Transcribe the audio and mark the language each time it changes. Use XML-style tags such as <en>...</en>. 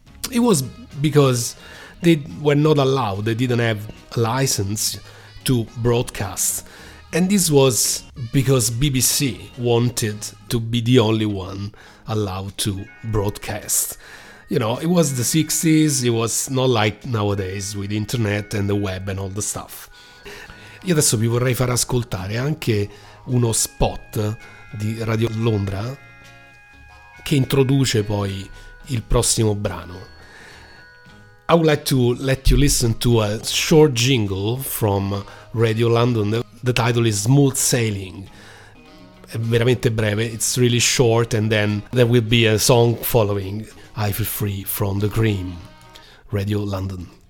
<en>It was because they were not allowed, they didn't have a license to broadcast. And this was because BBC wanted to be the only one allowed to broadcast. You know, it was the 60s, it was not like nowadays with internet and the web and all the stuff.</en> <it>Io adesso vi vorrei far ascoltare anche uno spot di Radio Londra che introduce poi il prossimo brano.</it> <en>I would like to let you listen to a short jingle from Radio London. The title is Smooth Sailing.</en> <it>È veramente breve,</it> <en>it's really short, and then there will be a song following, I Feel Free from the Cream, Radio London.</en>